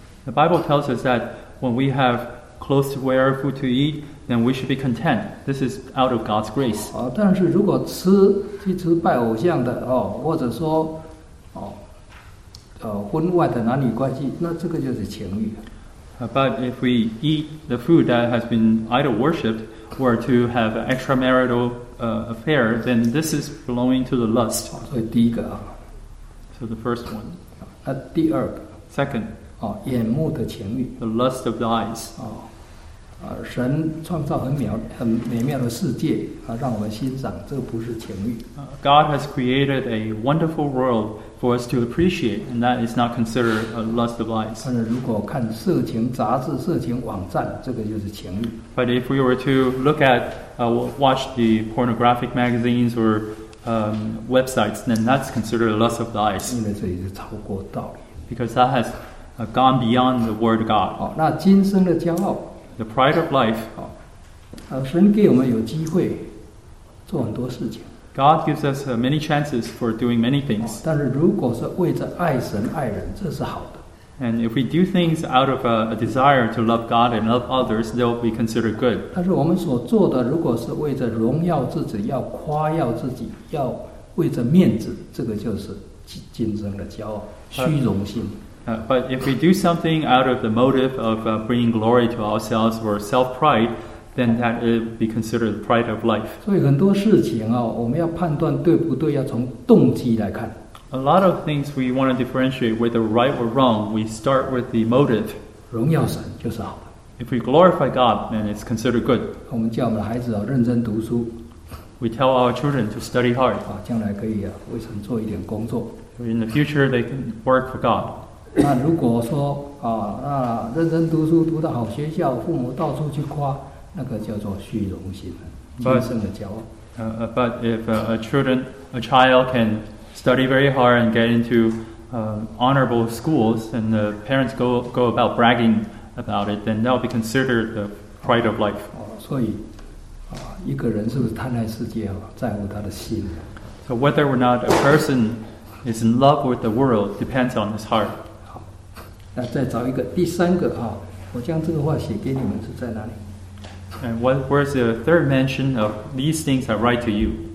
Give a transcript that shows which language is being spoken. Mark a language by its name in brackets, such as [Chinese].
[English] The Bible tells us that when we have clothes to wear, food to eat, then we should be content. This is out of God's grace. [Chinese] 但是如果吃，去吃拜偶像的，或者说，婚外的男女关系，那这个就是情欲。 [English] But if we eat the food that has been idol worshipped or to have an extramarital affair, then this is belonging to the lust. [Chinese] 所以第一个啊。 [English] So the first one. [Chinese] 那第二个。 [English] Second. [Chinese] 眼目的情欲。 [English] The lust of the eyes. [Chinese] 神创造很美妙的世界让我们欣赏，这个不是情欲。 [English] God has created a wonderful world for us to appreciate, and that is not considered a lust of eyes. [Chinese] 但是如果看色情杂志、色情网站，这个就是情欲。 [English] But if we were to look at, watch the pornographic magazines or websites, then that's considered a lust of the eyes. [Chinese] 因为这也是超过道理。 [English] Because that has gone beyond the word of God. [Chinese] 那今生的骄傲。 [English] The pride of life. [Chinese] 神给我们有机会做很多事情。 [English] God gives us many chances for doing many things. [Chinese] 但是如果是为着爱神爱人，这是好的。 [English] And if we do things out of a desire to love God and love others, they'll be considered good. [Chinese] 但是我们所做的，如果是为着荣耀自己，要夸耀自己，要为着面子，这个就是今生的骄傲，虚荣心。 [English] But if we do something out of the motive of bringing glory to ourselves or self-pride,then that it would be considered the pride of life. [Chinese] 所以很多事情哦，我们要判断对不对，要从动机来看。 [English] A lot of things we want to differentiate whether right or wrong, we start with the motive. [Chinese] 荣耀神就是好的。 [English] If we glorify God, then it's considered good. [Chinese] 我们叫我们的孩子认真读书。 [English] We tell our children to study hard. [Chinese] 将来可以为神做一点工作。 [English] In the future, they can work for God. [Chinese] 那如果说啊，那认真读书读到好学校，父母到处去夸，那个叫做虚荣心，天生的骄傲。 [English] But if a child can study very hard and get into honorable schools, and the parents go about bragging about it, then that will be considered the pride of life. [Chinese] 所以啊，一个人是不是贪爱世界啊，在乎他的心。 [English] So whether or not a person is in love with the world depends on his heart. [Chinese] 好，那再找一个第三个啊，我将这个话写给你们是在哪里？ [English] And what, where's the third mention of these things I write to you?